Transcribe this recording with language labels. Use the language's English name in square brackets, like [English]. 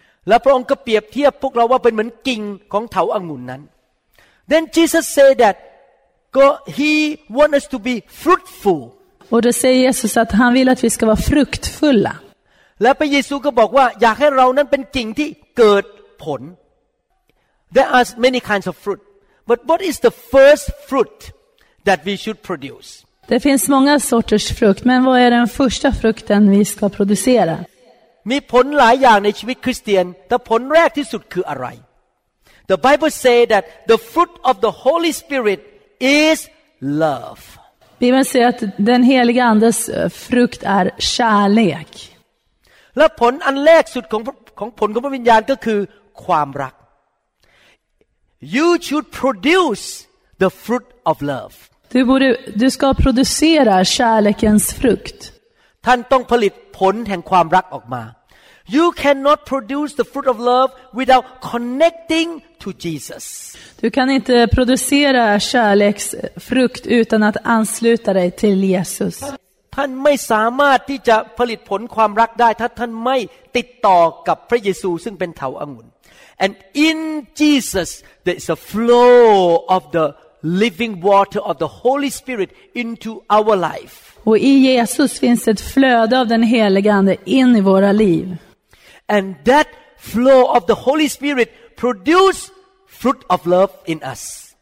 [Thai] และพระองค์ก็เปรียบเทียบพวกเราว่าเป็นเหมือนกิ่งของเถาองุ่นนั้น [English] Then Jesus say that he want us to be fruitful. [Swedish] Och då säger Jesus att han vill att vi ska vara fruktfulla. [English] Och [Thai] พระเยซูก็บอกว่าอยากให้เรานั้นเป็นกิ่งที่เกิดผล [English] There are many kinds of fruit, but what is the first fruit that we should produce? [Swedish] Det finns många sorters frukt, men vad är den första frukten vi ska producera? [Thai] มีผลหลายอย่างในชีวิตคริสเตียนแต่ผลแรกที่สุดคืออะไร [English] The Bible say that the fruit of the Holy Spirit is love. [Swedish] Vi måste säga att den heliga andes frukt är kärlek. [Thai] Och ผลอันแรกสุดของผลของพระวิญญาณก็คือความรัก [English] You should produce the fruit of love. [Swedish] Du ska producera kärlekens frukt. [Thai] ท่านต้องผลิตผลแห่งความรักออกมา [English] You cannot produce the fruit of love without connecting to Jesus. [Swedish] Du kan inte producera kärleksfrukt utan att ansluta dig till Jesus. [Thai] ท่านไม่สามารถที่จะผลิตผลความรักได้ถ้าท่านไม่ติดต่อกับพระเยซูซึ่งเป็นเถาองุ่น [English] And in Jesus there is a flow of the living water of the Holy Spirit into our life. [Swedish] Och i Jesus finns ett flöde av den helige ande in i våra liv. [English] And that flow of the Holy Spirit produce fruit of love in us.